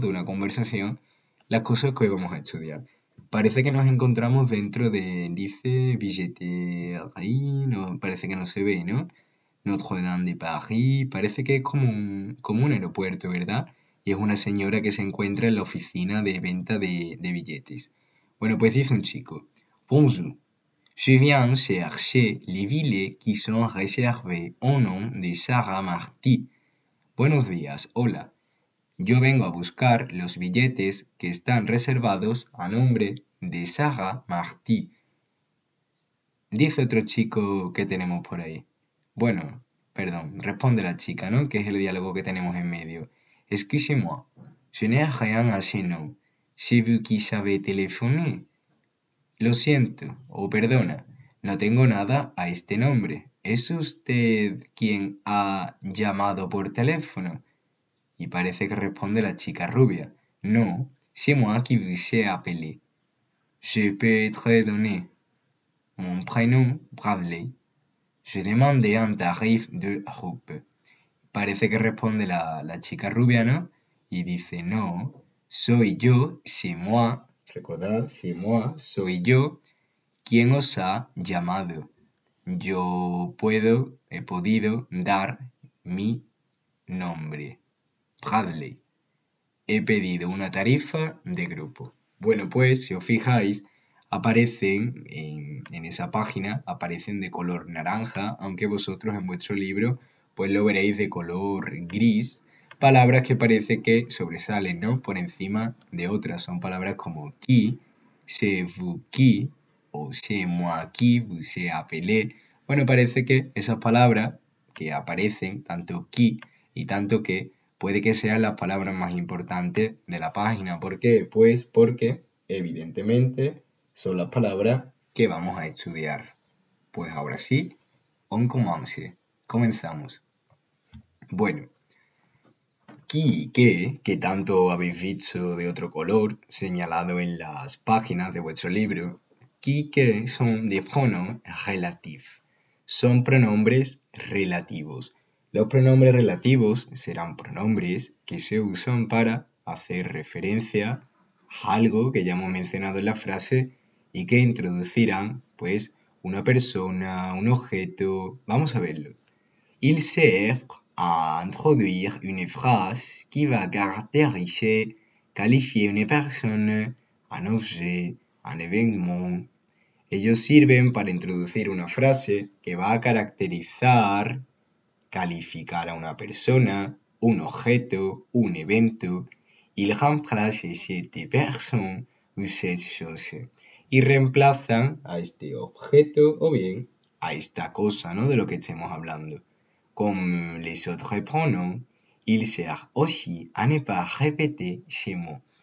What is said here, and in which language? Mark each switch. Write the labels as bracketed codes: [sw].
[es] De una conversación, las cosas que hoy vamos a estudiar. Parece que nos encontramos dentro de, dice, billete, ahí, no, parece que no se ve, ¿no? Notre-Dame de Paris, parece que es como un aeropuerto, ¿verdad? Y es una señora que se encuentra en la oficina de venta de billetes. Bueno, pues dice un chico. [fr] Bonjour. Je viens chercher les billets qui sont réservés au nom de Sarah Marty. [es] Buenos días, hola. Yo vengo a buscar los billetes que están reservados a nombre de Sarah Marty. Dice otro chico que tenemos por ahí. Bueno, perdón, responde la chica, ¿no? Que es el diálogo que tenemos en medio. [fr] Excusez-moi, je n'ai rien à ce nom. C'est vous qui savez téléphoner. [es] Lo siento, o perdona, no tengo nada a este nombre. ¿Es usted quien ha llamado por teléfono? Y parece que responde la chica rubia. [fr] No, c'est moi qui vous ai appelé. Je peux te donner mon prénom, Bradley. Je demande un tarif de groupe. [es] Parece que responde la chica rubia, ¿no? Y dice, no, soy yo, [fr] c'est moi, [es] recordad, c'est moi, soy yo, quien os ha llamado. Yo puedo, he podido dar mi nombre, Bradley. He pedido una tarifa de grupo. Bueno, pues, si os fijáis, aparecen en esa página, aparecen de color naranja, aunque vosotros en vuestro libro pues lo veréis de color gris, palabras que parece que sobresalen, ¿no? Por encima de otras. Son palabras como qui, [fr] c'est vous qui, [es] o [fr] c'est moi qui vous ai appelé. [es] Bueno, parece que esas palabras que aparecen, tanto qui y tanto que, puede que sean las palabras más importantes de la página. ¿Por qué? Pues porque, evidentemente, son las palabras que vamos a estudiar. Pues ahora sí, [fr] on commence. [es] Comenzamos. Bueno, qui, que tanto habéis visto de otro color señalado en las páginas de vuestro libro, qui, que son de pronom relatif, son pronombres relativos. Los pronombres relativos serán pronombres que se usan para hacer referencia a algo que ya hemos mencionado en la frase y que introducirán, pues, una persona, un objeto. Vamos a verlo. [fr] Il sert à introduire une phrase qui va caractériser, qualifier une personne, un objet, un événement. [es] Ellos sirven para introducir una frase que va a caracterizar, calificar a una persona, un objeto, un evento. [fr] Il remplace cette personne ou cette chose. [es] Y reemplazan a este objeto o bien a esta cosa, ¿no? De lo que estemos hablando. [fr] Comme les autres pronoms, il sert aussi à ne pas répéter ces mots.